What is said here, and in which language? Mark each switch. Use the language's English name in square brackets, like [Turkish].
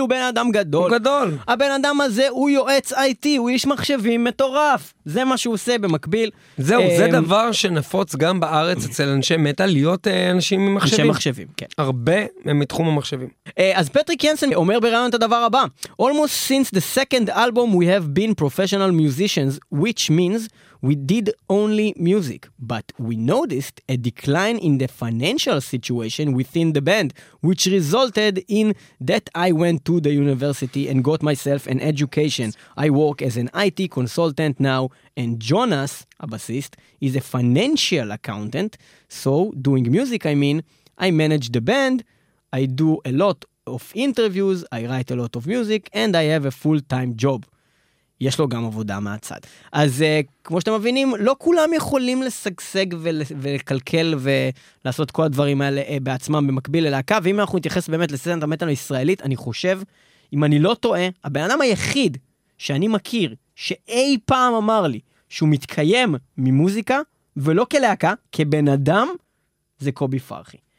[Hebrew] הוא בן אדם גדול. הוא גדול. הבן אדם הזה הוא יועץ IT, הוא איש מחשבים מטורף. זה מה שהוא עושה במקביל. זהו, זה דבר שנפוץ גם בארץ אצל אנשי מטל, להיות אנשים ממחשבים. אנשי מחשבים, כן. הרבה הם מתחום המחשבים. אז פטריק ינסן אומר בראיון את הדבר הבא. [English] Almost since the second album we have been professional musicians, which means we did only music. But we noticed a decline in the financial situation within the band, which resulted in that I went to the university and got myself an education. I work as an IT consultant now. And Jonas, a bassist, is a financial accountant. So, doing music, I mean, I manage the band, I do a lot of interviews, I write a lot of music, and I have a full-time job. [Hebrew] יש לו גם עבודה מהצד. אז כמו שאתם מבינים, לא כולם יכולים לסגשג ולקלקל ולעשות כל הדברים האלה בעצמם במקביל ללהקה, ואם אנחנו נתייחס באמת לסצנת המטל הישראלית, אני חושב, אם אני לא טועה, הבן אדם היחיד שאני מכיר שאי פעם אמר לי שהוא מתקיים ממוזיקה ולא כלהקה, כבן אדם, זה קובי פרחי.